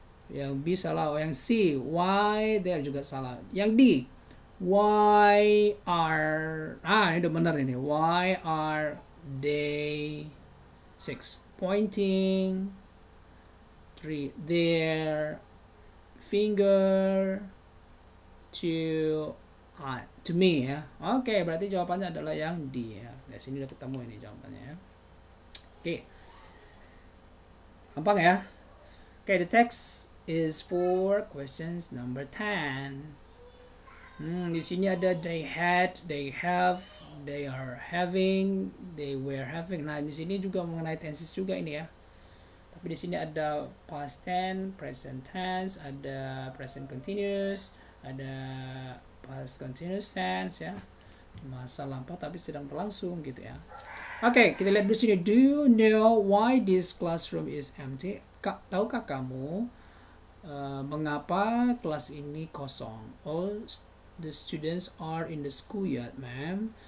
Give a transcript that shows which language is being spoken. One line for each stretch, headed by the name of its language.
Indonesian: Yang B salah, yang C why there juga salah, yang D
English: why are, ah ini udah benar ini, why are they six pointing three their finger to me
Indonesian: ya. Oke, okay, berarti jawabannya adalah yang D ya. Di sini udah ketemu ini jawabannya ya. Oke, okay. Gampang ya.
English: Oke, okay, the text is for questions number 10.
Indonesian: Di sini ada
English: they had, they have, they are having, they were having.
Indonesian: Nah, di sini juga mengenai tenses juga ini ya. Tapi di sini ada past tense, present tense, ada present continuous, ada past continuous tense ya. Masa lampau tapi sedang berlangsung gitu ya. Oke, okay, kita lihat di sini.
English: Do you know why this classroom is empty?
Indonesian: Tahukah kamu mengapa kelas ini kosong?
English: All the students are in the schoolyard, ma'am.